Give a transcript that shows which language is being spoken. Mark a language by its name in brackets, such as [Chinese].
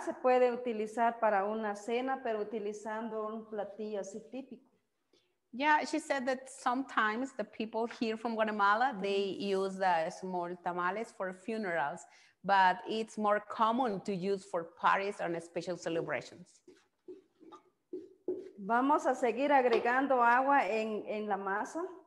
[Spanish] Se puede utilizar para una cena, pero utilizando un platillo así típico. [English] Yeah, she said that sometimes the people here from Guatemala, they use the small tamales for funerals, but it's more common to use for parties and special celebrations. [Spanish] Vamos a seguir agregando agua en la masa.